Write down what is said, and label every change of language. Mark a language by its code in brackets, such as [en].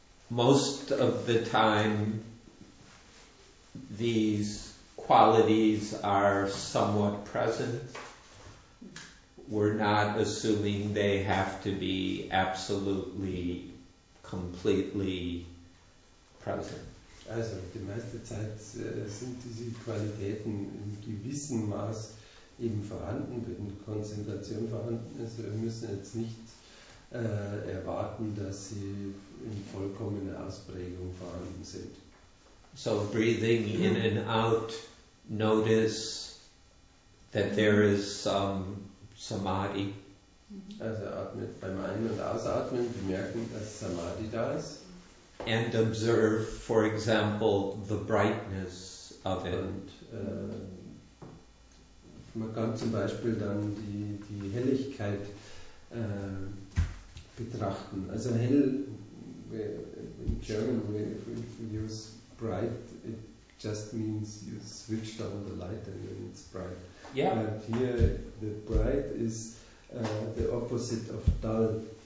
[en] Most of the time these qualities are somewhat present. We're not assuming they have to be absolutely, completely present. [de] Also, die meiste Zeit sind diese Qualitäten in gewissem Maß eben vorhanden, wenn Konzentration vorhanden ist. Wir müssen jetzt nicht erwarten, dass sie in vollkommener Ausprägung vorhanden sind. [en] So, breathing in and out, notice that there is some Samadhi. [de] Also atmet beim Ein- und Ausatmen, bemerken, dass Samadhi da ist. [en] And observe, for example, the brightness of it. [de] Und man kann zum Beispiel dann die Helligkeit betrachten. [en] Also hell, in German, if we use bright, it just means you switch down the light and then it's bright. Yeah. And here, the bright is the opposite of dull.